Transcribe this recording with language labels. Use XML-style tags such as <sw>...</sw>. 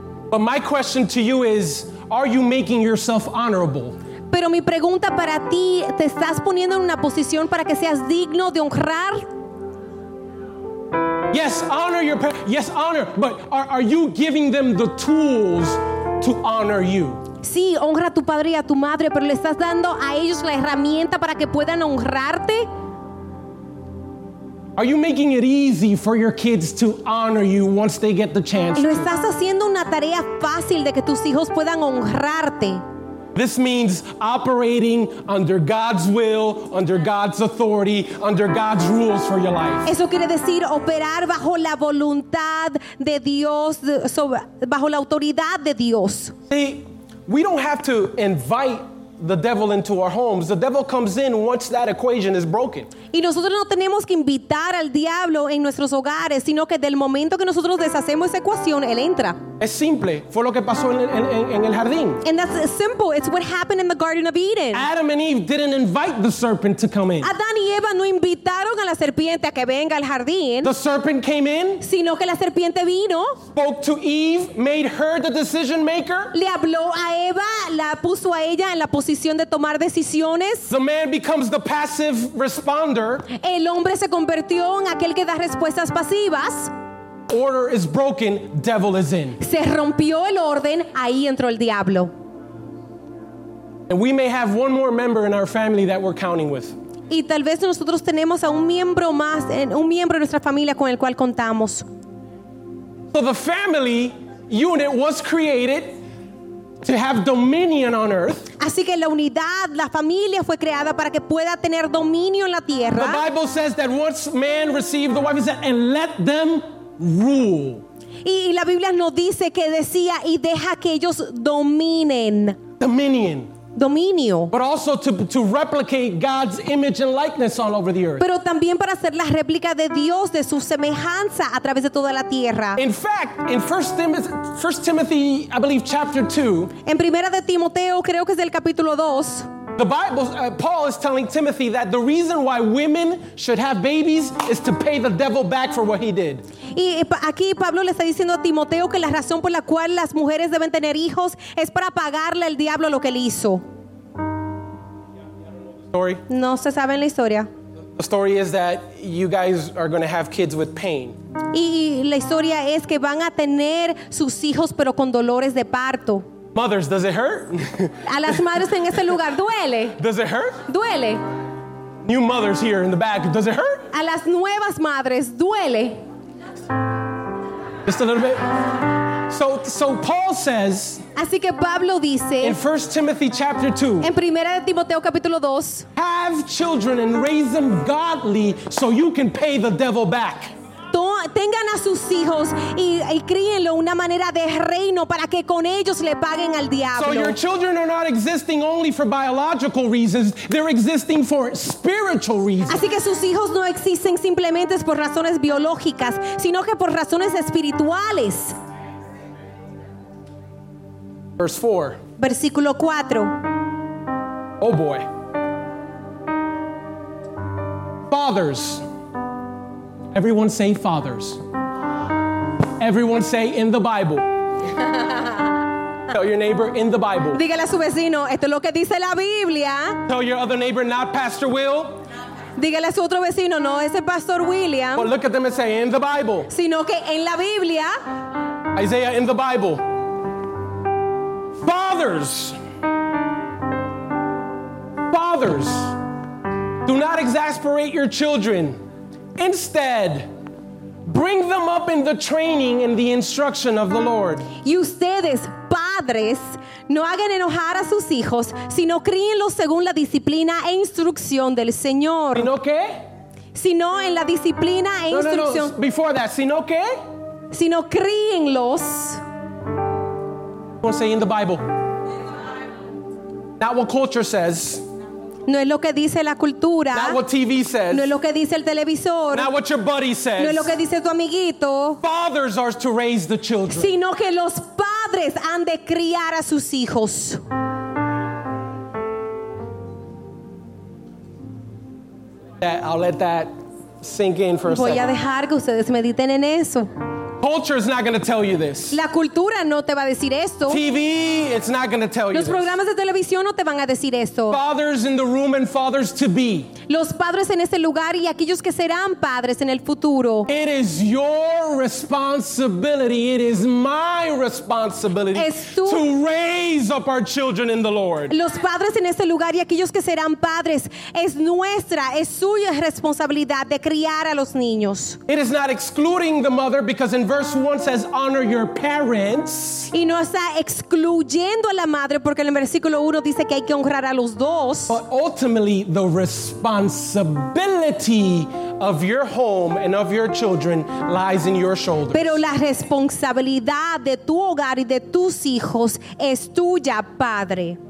<en>But my question to you is, are you making yourself honorable?</en> <es>Pero mi pregunta para ti, ¿te estás poniendo en una posición para que seas digno de honrar?</es> <en>Yes, honor your parents. Yes, honor. But are you giving them the tools to honor you?</en> <es>Sí, honra a tu padre y a tu madre, pero ¿le estás dando a ellos la herramienta para que puedan honrarte?</es> <en>Are you making it easy for your kids to honor you once they get the chance?</en> <es>¿Lo estás haciendo una tarea fácil de que tus hijos puedan honrarte?</es> <en>This means operating under God's will, under God's authority, under God's rules for your life.</en> <es>Eso quiere decir operar bajo la voluntad de Dios, bajo la autoridad de Dios.</es> <en>See, we don't have to invite the devil into our homes. The devil comes in once that equation is broken.</en> <es>Y nosotros no tenemos que invitar al diablo en nuestros hogares, sino que del momento que nosotros deshacemos esa ecuación, él entra. Es simple. Fue lo que pasó en el jardín.</es> <en>And that's simple. It's what happened in the Garden of Eden. Adam and Eve didn't invite the serpent to come in.</en> <es>Adán y Eva no invitaron a la serpiente a que venga al jardín.</es> <en>The serpent came in.</en> <es>Sino que la serpiente vino.</es> <en>Spoke to Eve, made her the decision maker.</en> <es>Le habló a Eva, la puso a ella en la posición de tomar decisiones.</es> <en>The man becomes the passive responder.</en> <es>El hombre se convirtió en aquel que da respuestas pasivas.</es> <en>Order is broken, devil is in.</en> <es>Se rompió el orden, ahí entró el diablo.</es> <en>And we may have one more member in our family that we're counting with.</en> <es>Y tal vez nosotros tenemos a un miembro más, un miembro de nuestra familia con el cual contamos.</es> <en>So the family unit was created to have dominion on earth.</en> <es>Así que la unidad, la familia fue creada para que pueda tener dominio en la tierra.</es> <en>The Bible says that once man received the wife, he said, and let them rule.</en> <es>Y la Biblia nos dice que decía, y deja que ellos dominen.</es> <en>Dominion.</en> <es>Dominio.</es> <en>But also to replicate God's image and likeness all over the earth.</en> <es>Pero también para hacer la réplica de Dios, de su semejanza a través de toda la tierra.</es> <en>In fact, in 1 Timothy, I believe chapter 2.</en> <es>En Primera de Timoteo, creo que es del capítulo 2.</es> <en>The Bible, Paul is telling Timothy that the reason why women should have babies is to pay the devil back for what he did.</en> <es>Y aquí Pablo le está diciendo a Timoteo que la razón por la cual las mujeres deben tener hijos es para pagarle al diablo lo que él hizo.</es> <en>Story.</en> <es>No se sabe en la historia.</es> <en>The story is that you guys are going to have kids with pain.</en> <es>Y la historia es que van a tener sus hijos pero con dolores de parto.</es> <en>Mothers, does it hurt?</en> <es>A las madres en ese lugar, duele.</es> <en>Does it hurt?</en> <es>Duele.</es> <en>New mothers here in the back, does it hurt?</en> <es>A las nuevas madres, duele.</es> <en>Just a little bit. So Paul says.</en> <es>Así que Pablo dice.</es> <en>In 1 Timothy chapter 2.</en> <es>En Primera de Timoteo capítulo 2.</es> <en>Have children and raise them godly so you can pay the devil back.</en> <es>Tengan a sus hijos y críenlo una manera de reino para que con ellos le paguen al diablo.</es> <en>So your children are not existing only for biological reasons, they're existing for spiritual reasons.</en> <es>Así que sus hijos no existen simplemente por razones biológicas, sino que por razones espirituales.</es> <en>Verse 4.</en> <es>Versículo 4.</es> <en>Oh boy. Fathers. Everyone say fathers. Everyone say in the Bible. Tell your neighbor in the Bible.</en> <es>Dígale a su vecino, esto es lo que dice la Biblia.</es> <en>Tell your other neighbor, not Pastor Will.</en> <es>Dígale a su otro vecino, no, ese Pastor William.</es> <en>But look at them and say, in the Bible.</en> <es>Sino que en la Biblia.</es> <en>Isaiah, in the Bible. Fathers. Fathers. Do not exasperate your children. Instead, bring them up in the training and the instruction of the Lord.</en> <es>Y ustedes, padres, no hagan enojar a sus hijos, sino críenlos según la disciplina e instrucción del Señor. ¿Sino qué? Sino en la disciplina e instrucción.</es> <en>No. Before that,</en> <es>¿sino qué? Sino críenlos.</es> <en>We'll say in the Bible. Not what culture says.</en> <es>No es lo que dice la cultura.</es> <en>Not what TV says.</en> <es>No es lo que dice el televisor.</es> <en>Not what your buddy says.</en> <es>No es lo que dice tu amiguito.</es> <en>Fathers are to raise the children.</en> <es>Sino que los padres han de criar a sus hijos.</es> <en>I'll let that sink in for a second.</en> <es>Voy a dejar que ustedes mediten en eso.</es> <en>Culture is not going to tell you this.</en> <es>La cultura no te va a decir esto.</es> <en>TV, it's not going to tell you.</en> <es>Los programas de televisión no te van a decir esto.</es> <en>Fathers in the room and fathers to be.</en> <es>Los padres en este lugar y aquellos que serán padres en el futuro.</es> <en>It is your responsibility. It is my responsibility to raise up our children in the Lord.</en> <es>Los padres en este lugar y aquellos que serán padres es nuestra, es suya responsabilidad de criar a los niños.</es> <en>It is not excluding the mother because in verse 1 says honor your parents.</en> <es>Y no está excluyendo a la madre porque en el versículo 1 dice que hay que honrar a los dos.</es> <en>But ultimately the responsibility of your home and of your children lies in your shoulders.</en> <es>Pero la responsabilidad de tu hogar y de tus hijos es tuya, padre.</es>